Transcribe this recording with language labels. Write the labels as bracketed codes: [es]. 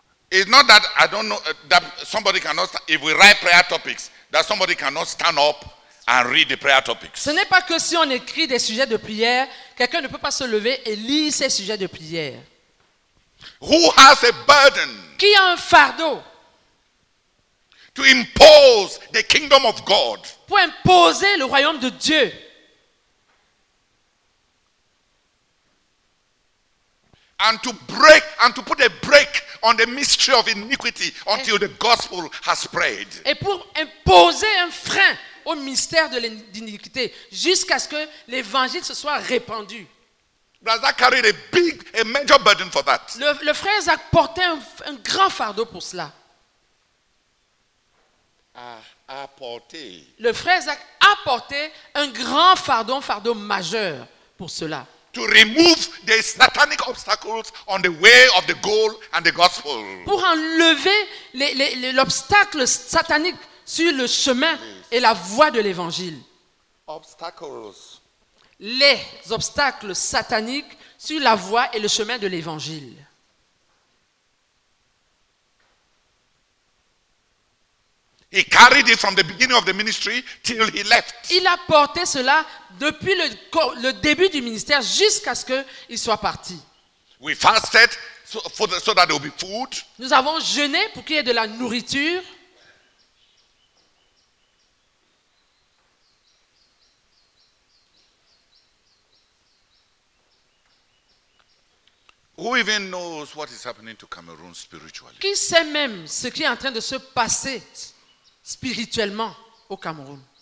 [en] It's not that I don't know that somebody cannot. If we write prayer topics, that somebody cannot stand up and read the prayer topics. [fr] Ce n'est pas que si on écrit des sujets de prière, quelqu'un ne peut pas se lever et lire ces sujets de prière. [en] Who has a burden? [fr] Qui a un fardeau? [en] To impose the kingdom of God. [fr] Pour imposer le royaume de Dieu. [en] And to break and to put a break on the mystery of iniquity until the gospel has spread. [fr] Et pour imposer un frein au mystère de l'iniquité jusqu'à ce que l'évangile se soit répandu. [en] Brother carried a major burden for that. [fr] Le frère Zach portait un grand fardeau pour cela. A porté. Le frère Zach a porté un grand fardeau majeur pour cela. [en] To remove the satanic obstacles on the way of the goal and the gospel. [fr] Pour enlever l'obstacle satanique sur le chemin et la voie de l'évangile. Obstacles. Les obstacles sataniques sur la voie et le chemin de l'évangile. [en] He carried it from the beginning of the ministry till he left. [fr] Il a porté cela depuis le début du ministère jusqu'à ce que il soit parti. [en] We fasted so that there will be food. [fr] Nous avons jeûné pour qu'il y ait de la nourriture. [en] Yeah. Who even knows what is happening to Cameroon spiritually? [fr] Qui sait même ce qui est en train de se passer spirituellement au Cameroun?